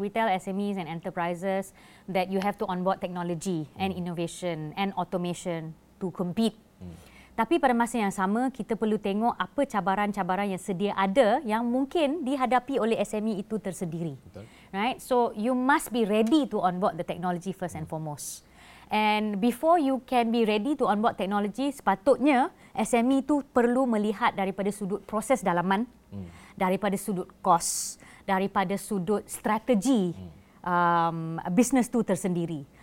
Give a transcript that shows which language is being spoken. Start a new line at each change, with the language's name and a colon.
English: We tell SMEs and enterprises that you have to onboard technology and innovation and automation to compete.
Malay: Tapi pada masa yang sama, kita perlu tengok apa cabaran-cabaran yang sedia ada yang mungkin dihadapi oleh SME itu tersendiri. Betul.
English: Right? So you must be ready to onboard the technology first and foremost. And before you can be ready to onboard technology,
Malay: sepatutnya SME itu perlu melihat daripada sudut proses dalaman, daripada sudut kos, daripada sudut strategi business itu tersendiri.